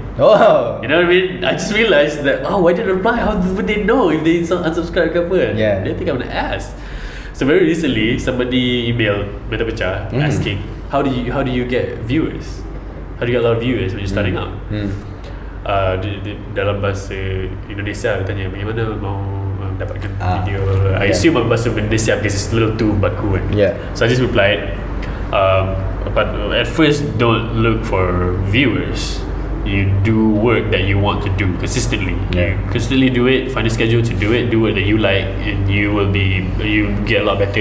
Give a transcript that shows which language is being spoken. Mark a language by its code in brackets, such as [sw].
[en] Oh. You know what I mean? I just realized that, oh, why didn't I reply? How would they know if they unsubscribe? Yeah. They didn't think I'm gonna ask. So very recently, somebody emailed metopecah asking, how do you get viewers? How do you get a lot of viewers when you're starting out? Mm. [id] di dalam bahasa Indonesia, aku tanya bagaimana mau dapatkan video. [en] I assume bahasa Indonesia because it's a little too baku. So I just replied, but at first don't look for viewers. You do work that you want to do consistently. You consistently do it, find a schedule to do it, do work that you like, and you will be, you get a lot better.